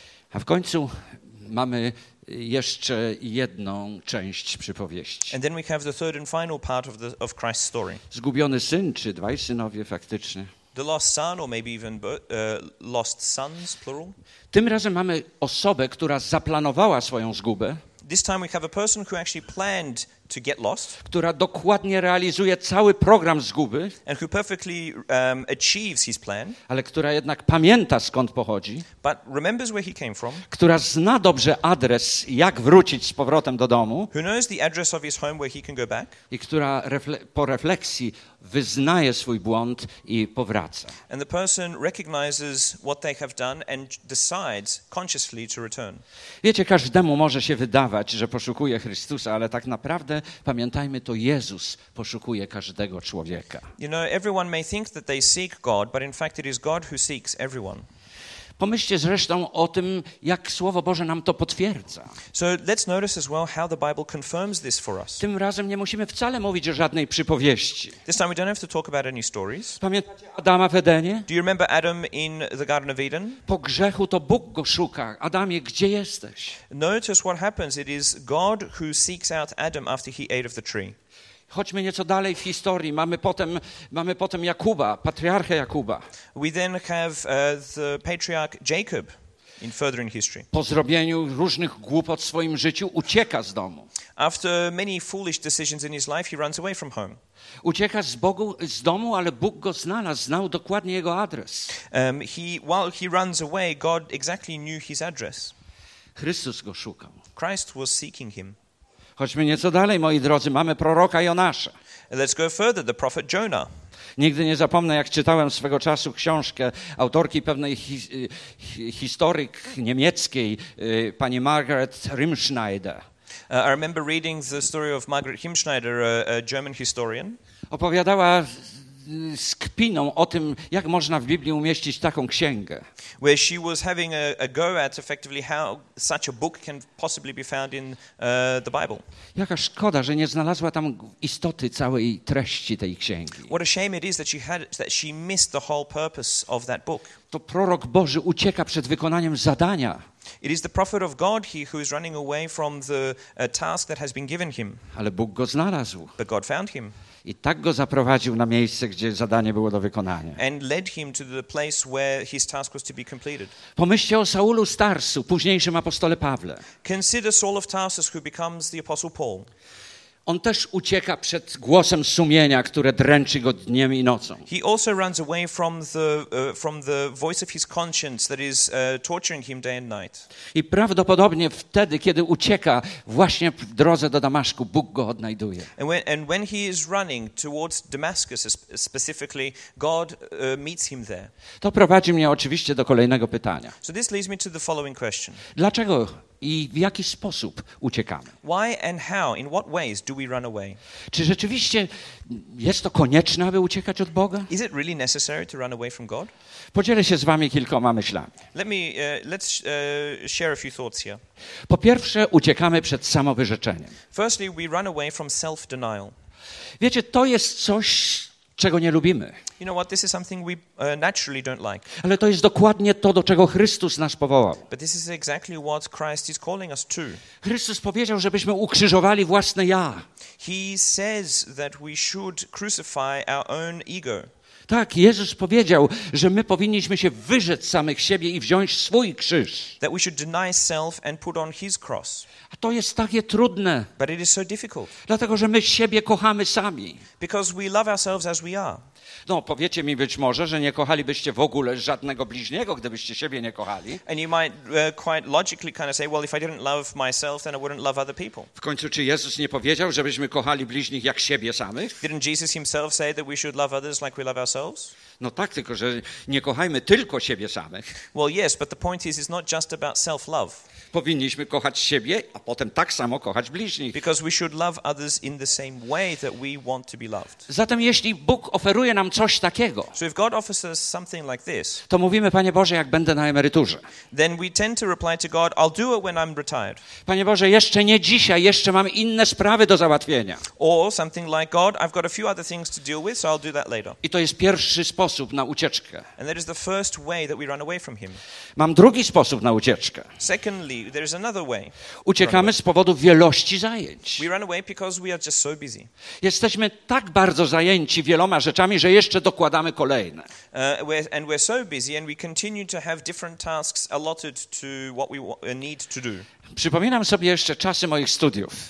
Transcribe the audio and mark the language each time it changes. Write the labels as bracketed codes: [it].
[pl] A w końcu mamy jeszcze jedną część przypowieści. [en] And then we have the third and final part of Christ's story. [pl] Zgubiony syn, czy dwaj synowie faktycznie. [en] The lost son, or maybe even lost sons, plural. [pl] Tym razem mamy osobę, która zaplanowała swoją zgubę. [en] This time we have a person who actually planned to get lost. [pl] Która dokładnie realizuje cały program zguby. [en] And who perfectly achieves his plan. [pl] Ale która jednak pamięta, skąd pochodzi. [en] But remembers where he came from. [pl] Która zna dobrze adres, jak wrócić z powrotem do domu. [en] Who knows the address of his home where he can go back. [pl] I która po refleksji wyznaje swój błąd i powraca. [en] And the person recognizes what they have done and decides consciously to return. [pl] Wiecie, każdemu może się wydawać, że poszukuje Chrystusa, ale tak naprawdę, pamiętajmy, to Jezus poszukuje każdego człowieka. [en] You know, everyone may think that they seek God, but in fact it is God who seeks everyone. [pl] Pomyślcie zresztą o tym, jak Słowo Boże nam to potwierdza. [en] So let's notice as well how the Bible confirms this for us. [pl] Tym razem nie musimy wcale mówić o żadnej przypowieści. [en] This time we don't have to talk about any stories. [pl] Pamiętacie Adama w Edenie? [en] Do you remember Adam in the Garden of Eden? [pl] Po grzechu to Bóg go szuka. Adamie, gdzie jesteś? [en] Notice what happens. It is God who seeks out Adam after he ate of the tree. [pl] Chodźmy nieco dalej w historii. Mamy potem Jakuba, patriarchę Jakuba. [en] We then have the patriarch Jacob in furthering history. [pl] Po zrobieniu różnych głupot w swoim życiu ucieka z domu. [en] After many foolish decisions in his life, he runs away from home. [pl] Ucieka z domu, ale Bóg go znalazł, znał dokładnie jego adres. [en] While he runs away, God exactly knew his address. [pl] Chrystus go szukał. [en] Christ was seeking him. [pl] Chodźmy nieco dalej, moi drodzy, mamy proroka Jonasza. [en] Let's go further, the prophet Jonah. [pl] Nigdy nie zapomnę, jak czytałem swego czasu książkę autorki pewnej historyk niemieckiej, pani Margaret Rimschneider. [en] I remember reading the story of Margaret Rimschneider, a German historian. [pl] Opowiadała z kpiną o tym, jak można w Biblii umieścić taką księgę. [en] Where she was having a go at effectively how such a book can possibly be found in the Bible. [pl] Jaka szkoda, że nie znalazła tam istoty całej treści tej księgi. [en] What a shame it is that she missed the whole purpose of that book. [pl] To prorok Boży ucieka przed wykonaniem zadania. [en] It is the prophet of God here who is running away from the task that has been given him. [pl] Ale Bóg go znalazł. [en] But God found him. [pl] I tak go zaprowadził na miejsce, gdzie zadanie było do wykonania. [en] And led him to the place where his task was to be completed. [pl] Pomyślcie o Saulu z Tarsu, późniejszym apostole Pawle. [en] Consider Saul of Tarsus, who becomes the apostle Paul. [pl] On też ucieka przed głosem sumienia, które dręczy go dniem i nocą. [en] He also runs away from the voice of his conscience that is torturing him day and night. [pl] I prawdopodobnie wtedy, kiedy ucieka właśnie w drodze do Damaszku, Bóg go odnajduje. [en] And when he is running towards Damascus specifically, God meets him there. [pl] To prowadzi mnie oczywiście do kolejnego pytania. [en] So this leads me to the following question. [pl] Dlaczego i w jaki sposób uciekamy? [en] Why and how, in what ways do we run away? [pl] Czy rzeczywiście jest to konieczne, aby uciekać od Boga? [en] Is it really necessary to run away from God? [pl] Podzielę się z wami kilkoma myślami. [en] Let's share a few thoughts here. [pl] Po pierwsze, uciekamy przed samowyrzeczeniem. [en] Firstly, we run away from self-denial. [pl] Wiecie, to jest coś, czego nie lubimy. [en] You know what, this is something we naturally don't like. [pl] Ale to jest dokładnie to, do czego Chrystus nas powołał. [en] But this is exactly what Christ is calling us to. [pl] Chrystus powiedział, żebyśmy ukrzyżowali własne ja. [en] He says that we should crucify our own ego. [pl] Tak, Jezus powiedział, że my powinniśmy się wyrzec samych siebie i wziąć swój krzyż. [en] That we should deny self and put on his cross. [pl] A to jest takie trudne. [en] But it is so difficult. [pl] Dlatego, że my siebie kochamy sami. [en] Because we love ourselves as we are. [pl] No, powiecie mi być może, że nie kochalibyście w ogóle żadnego bliźniego, gdybyście siebie nie kochali. [en] And you might quite logically kind of say, well, if I didn't love myself, then I wouldn't love other people. [pl] W końcu, czy Jezus nie powiedział, żebyśmy kochali bliźnich jak siebie samych? [en] Didn't Jesus himself say that we should love others like we love ourselves? [pl] No tak, tylko że nie kochajmy tylko siebie samych. [en] Well, yes, but the point is, it's not just about self-love. [pl] Powinniśmy kochać siebie, a potem tak samo kochać bliźnich. [en] Because we should love others in the same way that we want to be loved. [pl] Zatem jeśli Bóg oferuje nam coś takiego, [en] so if God offers us something like this, [pl] to mówimy, Panie Boże, jak będę na emeryturze. [en] Then we tend to reply to God, I'll do it when I'm retired. [pl] Panie Boże, jeszcze nie dzisiaj, jeszcze mam inne sprawy do załatwienia. [en] Or something like, God, I've got a few other things to deal with, so I'll do that later. [pl] I to jest pierwszy sposób na ucieczkę. [en] And that is the first way that we run away from him. [pl] Mam drugi sposób na ucieczkę. [en] Secondly, there is another way. [pl] Uciekamy z powodu wielości zajęć. [en] We run away because we are just so busy. [pl] Jesteśmy tak bardzo zajęci wieloma rzeczami, że jeszcze dokładamy kolejne. [en] We're so busy and we continue to have different tasks allotted to what we need to do. [pl] Przypominam sobie jeszcze czasy moich studiów.